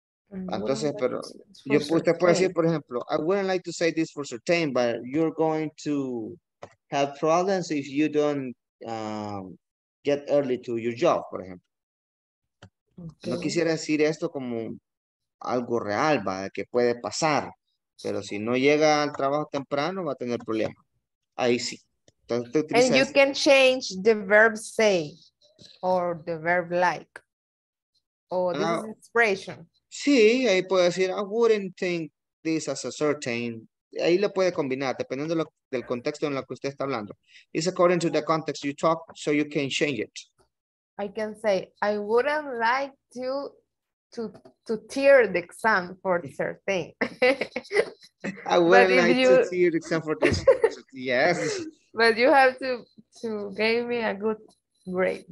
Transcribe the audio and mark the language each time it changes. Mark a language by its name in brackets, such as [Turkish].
[Spanish] Entonces, pero yo usted puede decir, por ejemplo, [English] I wouldn't like to say this for certain, but you're going to have problems if you don't get early to your job, [Spanish] por ejemplo. [English] Okay. [Spanish] No quisiera decir esto como algo real, va, que puede pasar, pero si no llega al trabajo temprano, va a tener problemas. Ahí sí. [English] And you can change the verb say or the verb like or this expression. [Spanish] Sí, ahí puede decir, [English] I wouldn't think this as a certain. [Spanish] Ahí lo puede combinar, dependiendo del contexto en lo que usted está hablando. [English] It's according to the context you talk, so you can change it. I can say, I wouldn't like to tear the exam for certain. I wouldn't like to tear the exam for this. Yes. But you have to give me a good grade.